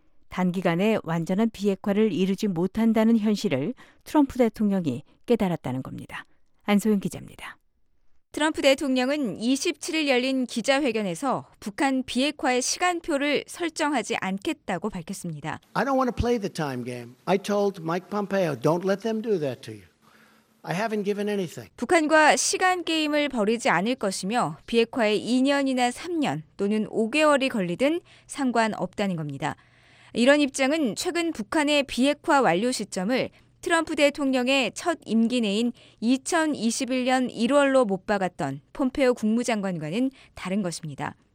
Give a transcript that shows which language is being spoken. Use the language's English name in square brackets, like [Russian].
[Korean] 단기간에 완전한 비핵화를 이루지 못한다는 현실을 트럼프 대통령이 깨달았다는 겁니다. 안소윤 기자입니다. 트럼프 대통령은 27일 열린 기자회견에서 북한 비핵화의 시간표를 설정하지 않겠다고 밝혔습니다. [English] I don't want to play the time game. I told Mike Pompeo, don't let them do that to you. I haven't given anything. [Korean] 북한과 시간 게임을 벌이지 않을 것이며 비핵화에 2년이나 3년 또는 5개월이 걸리든 상관없다는 겁니다. 이런 입장은 최근 북한의 비핵화 완료 시점을 트럼프 대통령의 첫 임기 내인 2021년 1월로 못 박았던 폼페오 국무장관과는 다른 것입니다.